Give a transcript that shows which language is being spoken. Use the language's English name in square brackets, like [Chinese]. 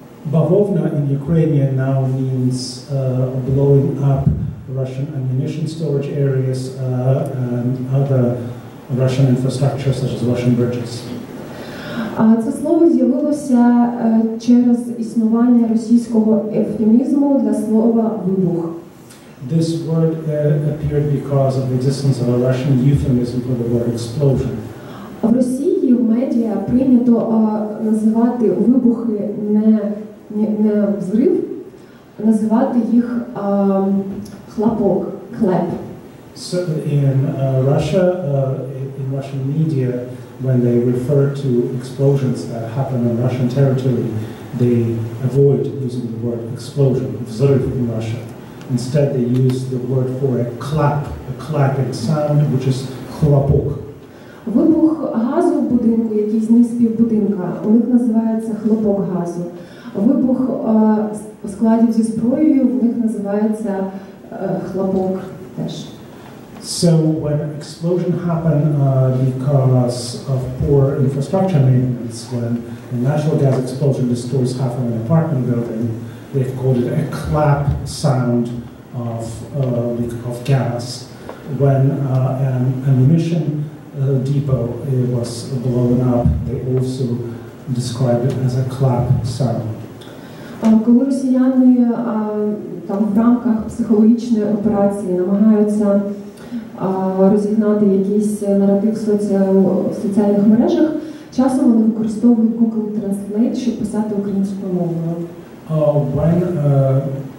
[English] Бавовна in Ukrainian now means blowing up Russian ammunition storage areas and other Russian infrastructure such as Russian bridges. [Ukrainian] Це слово з'явилося через існування російського евфемізму для слова вибух. [English] This word appeared because of the existence of a Russian euphemism for the word explosion. [Ukrainian] В Росії в медіа прийнято називати вибухи не взрив, називати їх хлопок, клеп. [English] So in Russia, in Russian media, when they refer to explosions that happen on Russian territory, they avoid using the word explosion, взрыв in Russia. Instead, they use the word for a clapping sound, which is хлопок. [Ukrainian] Вибух газу в будинку, який зніс пів будинка, у них називається хлопок газу. Вибух складів зі зброєю, у них називається хлопок теж. [English] So when explosion happened because of poor infrastructure maintenance, when a natural gas explosion destroys half of an apartment building, they've called it a clap sound of leak of gas. When an ammunition depot it was blown up, they also described it as a clap sound. [Ukrainian] Коли росіяни там в рамках психологічної операції намагаються розігнати якийсь наратив соціальних мережах, часом вони використовують Google Translate, щоб писати українською мовою.